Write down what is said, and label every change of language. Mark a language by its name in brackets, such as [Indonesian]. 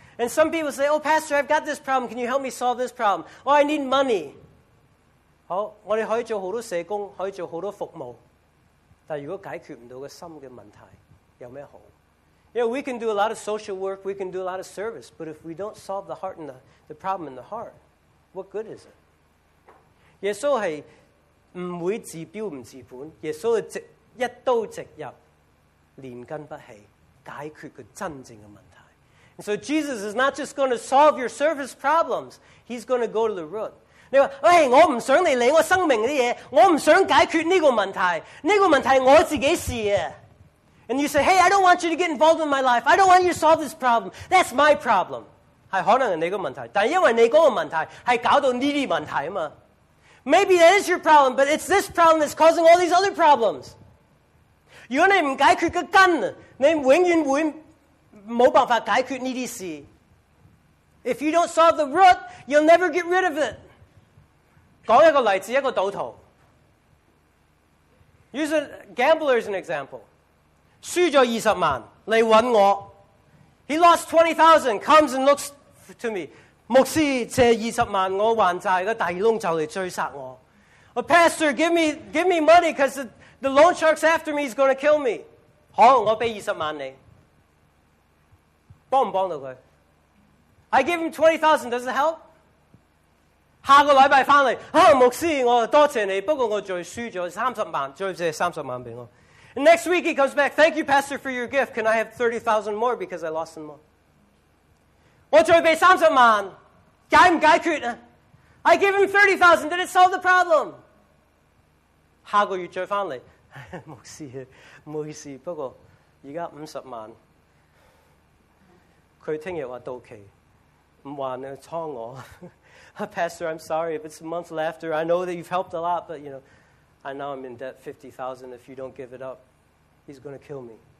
[English] And some people say, oh, pastor, I've got this problem, can you help me solve this problem? Oh, I need money. [Cantonese] 好，我们可以做很多社工，可以做很多服务。但如果解决不到个心的问题，有什么好？ [English] You know, we can do a lot of social work, we can do a lot of service, but if we don't solve the heart and the problem in the heart, what good is it? [Cantonese] 耶稣是不会治标不治本，耶稣是一刀直入，连根拔起，解决个真正的问题。 [English] And so Jesus is not just going to solve your service problems, he's going to go to the root. [Cantonese] 你说，喂，我不想你理我生命的事，我不想解决这个问题，这个问题我自己事啊。 [English] And you say, hey, I don't want you to get involved in my life. I don't want you to solve this problem. That's my problem. [Cantonese] 是可能是你的问题，但因为你的问题是搞到这些问题嘛。 [English] Maybe that is your problem, but it's this problem that's causing all these other problems. [Cantonese] 如果你不解决个根，你永远会没办法解决这些事。 [English] If you don't solve the root, you'll never get rid of it. [Cantonese] 讲一个例子，一个赌徒。 [English] Use a gambler as an example. [Cantonese] 输了20万来找我。 [English] He lost 20,000, comes and looks to me. [Cantonese] 牧师借20万我还债，个大窿就来追杀我。 [English] A pastor, give me money because the loan shark's after me, he's going to kill me. [Cantonese] 好，我给20万你。帮不帮到他？ [English] I give him 20,000, does it help? [Cantonese] 下个礼拜回来，牧师，我多谢你，不过我再输了30万，再借30万给我。 [English] And next week he comes back, thank you, pastor, for your gift. Can I have 30,000 more because I lost some more? [Cantonese] 我再给30万，解不解决呢？ [English] I give him 30,000, did it solve the problem? [Cantonese] 下个月再回来，牧师，不好意思，不过现在50万，他听日说到期，不还你仓我。 [English] Pastor, I'm sorry, if it's a month left, or I know that you've helped a lot, but you know, I know I'm in debt $50,000. If you don't give it up, he's going to kill me.